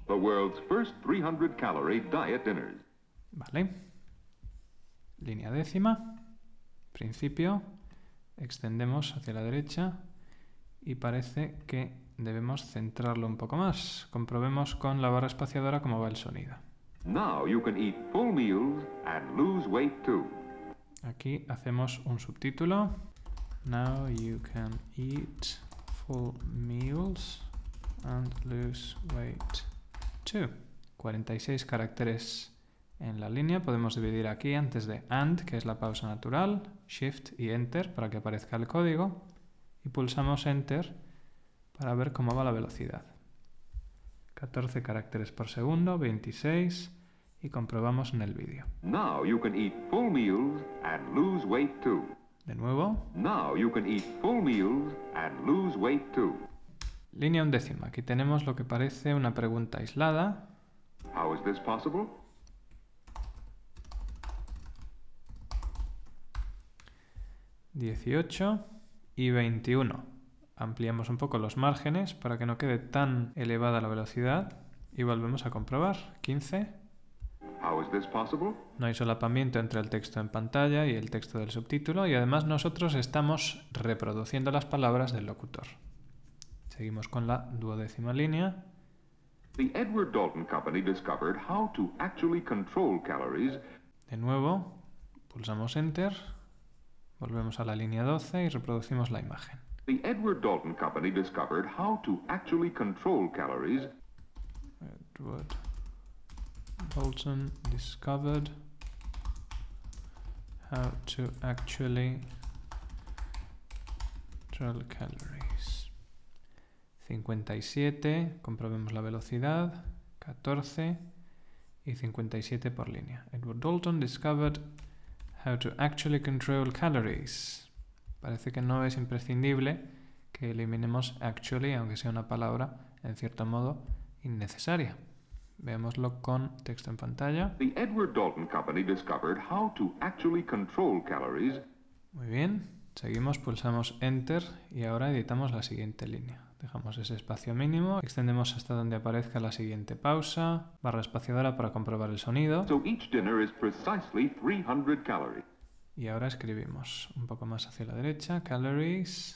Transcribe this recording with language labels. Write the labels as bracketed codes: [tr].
[en] The World's First 300 Calorie Diet Dinners. [es] Vale, línea décima, principio, extendemos hacia la derecha y parece que debemos centrarlo un poco más, comprobemos con la barra espaciadora cómo va el sonido. [en] Now you can eat full meals and lose weight too. [es] Aquí hacemos un subtítulo. [en] Now you can eat full meals and lose weight too. [es] 46 caracteres en la línea. Podemos dividir aquí antes de AND, que es la pausa natural, Shift y Enter para que aparezca el código. Y pulsamos Enter para ver cómo va la velocidad. 14 caracteres por segundo, 26, y comprobamos en el vídeo. [en] Now you can eat full meals and lose weight too. [es] De nuevo. [en] Now you can eat full meals and lose weight too. [es] Línea undécima. Aquí tenemos lo que parece una pregunta aislada. [en] How is this possible? [es] Dieciocho y 21. Ampliamos un poco los márgenes para que no quede tan elevada la velocidad y volvemos a comprobar. 15. [en] How is this possible? [es] No hay solapamiento entre el texto en pantalla y el texto del subtítulo y además nosotros estamos reproduciendo las palabras del locutor. Seguimos con la duodécima línea. [en] The Edward Dalton Company discovered how to actually control calories. [es] De nuevo, pulsamos Enter, volvemos a la línea 12 y reproducimos la imagen. [en] The Edward Dalton Company discovered how to actually control calories. Edward Dalton discovered how to actually control calories. [es] 57, comprobemos la velocidad, 14 y 57 por línea. [en] Edward Dalton discovered how to actually control calories. [es] Parece que no es imprescindible que eliminemos actually, aunque sea una palabra, en cierto modo, innecesaria. Veámoslo con texto en pantalla. [en] The Edward Dalton Company discovered how to actually control calories. [es] Muy bien. Seguimos, pulsamos Enter y ahora editamos la siguiente línea. Dejamos ese espacio mínimo, extendemos hasta donde aparezca la siguiente pausa, barra espaciadora para comprobar el sonido. [en] So each dinner is precisely 300 calories. [es] Y ahora escribimos un poco más hacia la derecha, calories.